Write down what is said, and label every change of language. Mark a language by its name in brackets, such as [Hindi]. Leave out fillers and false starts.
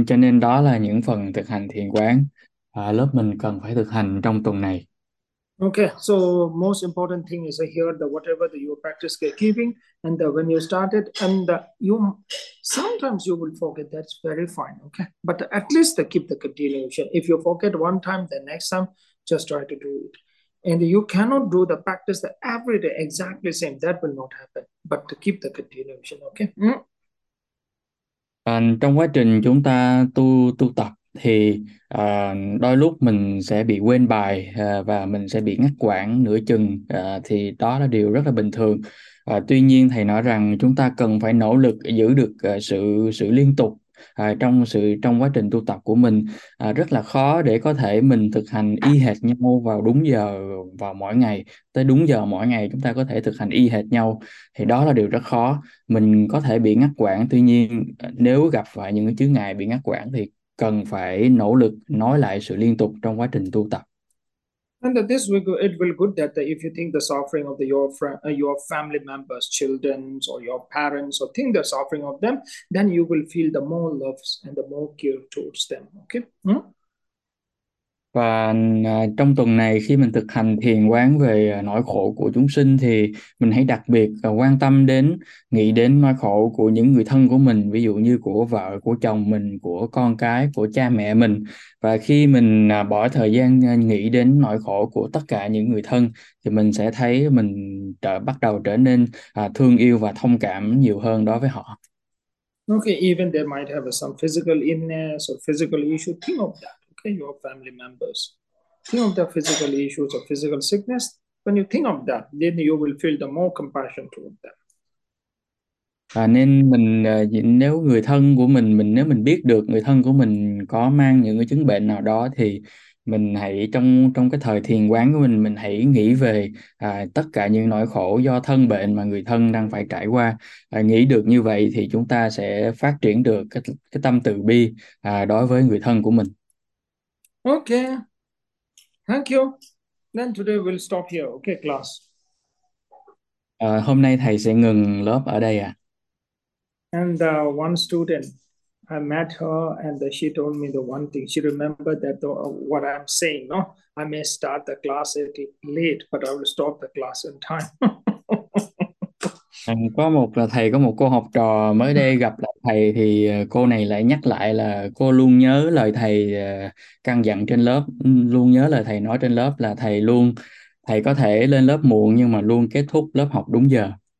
[Vietnamese] Cho nên đó là những phần thực hành thiền quán lớp mình cần phải thực hành trong tuần này. [English] Okay. So most important thing is here the whatever that you practice giving, and the, when you started, and the, you sometimes you will forget. That's very fine. Okay. But at least the, keep the continuation. If you forget one time, the next time just try to do it. And you cannot do the practice the every day exactly same. That will not happen. But to keep the continuation, okay? [Vietnamese] Trong quá trình chúng ta tu tu tập thì đôi lúc mình sẽ bị quên bài và mình sẽ bị ngắt quãng nửa chừng, thì đó là điều rất là bình thường. Tuy nhiên thầy nói rằng chúng ta cần phải nỗ lực giữ được sự sự liên tục trong quá trình tu tập của mình, rất là khó để có thể mình thực hành y hệt nhau vào đúng giờ vào mỗi ngày, tới đúng giờ mỗi ngày chúng ta có thể thực hành y hệt nhau, thì đó là điều rất khó. Mình có thể bị ngắt quãng, tuy nhiên nếu gặp phải những chướng ngại bị ngắt quãng thì cần phải nỗ lực nối lại sự liên tục trong quá trình tu tập. [English] And that this will go, it will good that if you think the suffering of the, your family members, children, or your parents, or think the suffering of them, then you will feel the more love and the more care towards them. Okay. [Vietnamese] Và trong tuần này khi mình thực hành thiền quán về nỗi khổ của chúng sinh thì mình hãy đặc biệt quan tâm đến, nghĩ đến nỗi khổ của những người thân của mình, ví dụ như của vợ, của chồng mình, của con cái, của cha mẹ mình. Và khi mình bỏ thời gian nghĩ đến nỗi khổ của tất cả những người thân thì mình sẽ thấy mình bắt đầu trở nên thương yêu và thông cảm nhiều hơn đối với họ. [English] Okay, even they might have some physical illness or physical issue. Think of that, okay, your family members. Think of the physical issues or physical sickness. When you think of that, then you will feel the more compassion toward them. [Vietnamese] À, nên mình nếu người thân của mình nếu mình biết được người thân của mình có mang những cái chứng bệnh nào đó thì mình hãy trong trong cái thời thiền quán của mình hãy nghĩ về tất cả những nỗi khổ do thân bệnh mà người thân đang phải trải qua. Nghĩ được như vậy thì chúng ta sẽ phát triển được cái tâm từ bi đối với người thân của mình. [English] Okay. Thank you. Then today we'll stop here. Okay, class. [Vietnamese] Hôm nay thầy sẽ ngừng lớp ở đây ạ. [English] And one student, I met her and she told me the one thing. She remembered that what I'm saying, no? I may start the class a little late, but I will stop the class in time. [Vietnamese] Có một là thầy có một cô học trò mới đây gặp lại thầy thì cô này lại nhắc lại là cô luôn nhớ lời thầy căn dặn trên lớp, luôn nhớ lời thầy nói trên lớp là thầy có thể lên lớp muộn nhưng mà luôn kết thúc lớp học đúng giờ.